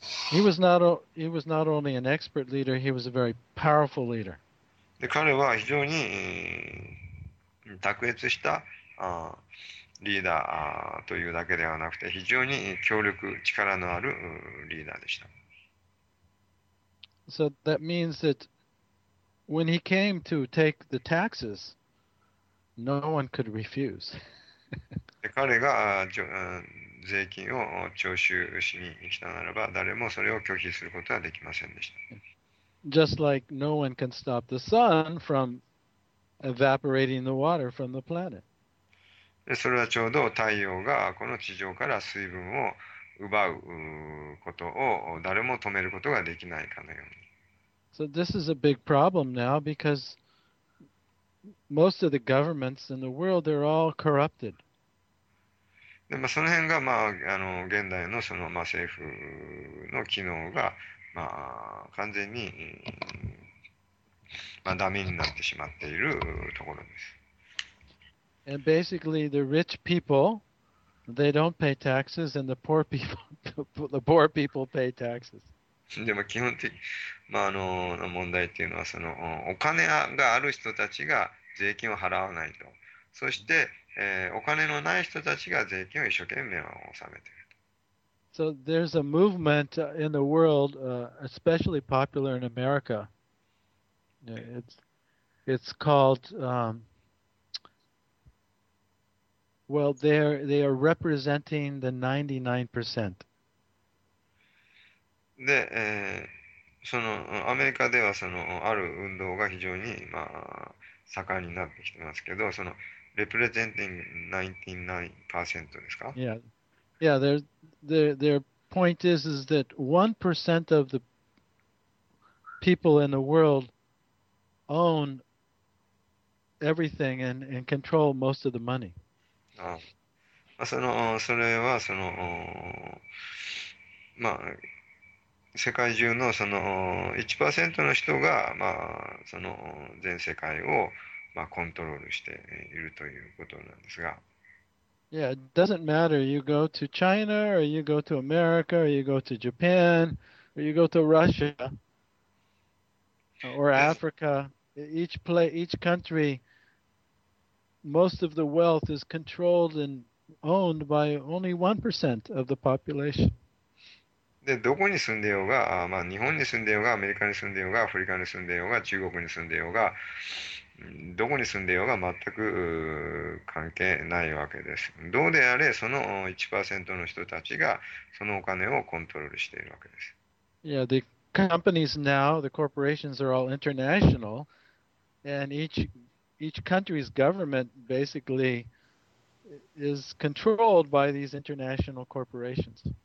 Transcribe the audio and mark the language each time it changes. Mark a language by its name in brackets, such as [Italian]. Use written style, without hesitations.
[English] He was not only an expert leader, he was a very powerful leader. [Japanese] で、彼は非常に卓越したリーダーというだけではなくて、非常に強力、力のあるリーダーでした。 [English] So that means that when he came to take the taxes, no one could refuse. [Japanese] 彼が税金を徴収しに来たならば、誰もそれを拒否することはできませんでした。 [English] Just like no one can stop the sun from evaporating the water from the planet. [Japanese] それはちょうど太陽がこの地上から水分を奪うことを誰も止めることができないかのように。 [English] So this is a big problem now because most of the governments in the world, they're all corrupted. [Japanese] で、まあ、その辺が、まあ、現代の、その、まあ、政府の機能が、まあ、完全に、まあ、ダメになってしまっているところです。 [English] And basically, the rich people, they don't pay taxes, and the poor people, the poor people pay taxes. [Japanese] でも基本的、まあ、問題っていうのは、その、お金がある人たちが税金を払わないと。そしてお金のない人たちが税金を一生懸命納めていると。 [English] So there's a movement in the world, especially popular in America. It's called, well, they are representing the 99%. [Japanese] で、そのアメリカではそのある運動が非常に、まあ、盛んになってきてますけど、その [English] representing 99% [Japanese] ですか？ [English] Yeah, yeah. There's their point is that 1% of the people in the world own everything and control most of the money. [Japanese] まあ、その、それはその、まあ、世界中のその1%の人が、まあ、その全世界を、まあ、コントロールしているということなんですが。 [English] Yeah, it doesn't matter. You go to China, or you go to America, or you go to Japan, or you go to Russia, or Africa. Each country, most of the wealth is controlled and owned by only 1% of the population. [Japanese] で、 どこに住んでようが、 まあ、 日本に住んでようが、 アメリカに住んでようが、 アフリカに住んでようが、 中国に住んでようが、 どこに住んでようが全く関係ないわけです。どうであれその 1%の人たちが そのお金をコントロールしているわけです。 [English] Yeah, the companies now, the corporations are all international, and each country's government basically is controlled by these international corporations.